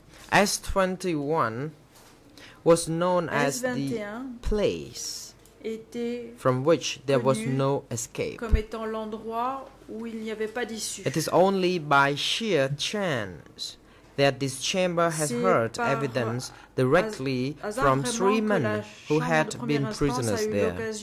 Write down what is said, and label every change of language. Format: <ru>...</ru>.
<en>S21 was known as the place from which there was no escape.</en> <fr>Comme étant l'endroit où il n'y avait pas d'issue.</fr> <en>It is only by sheer chance that this chamber has heard evidence directly from three men who had been prisoners there.</en>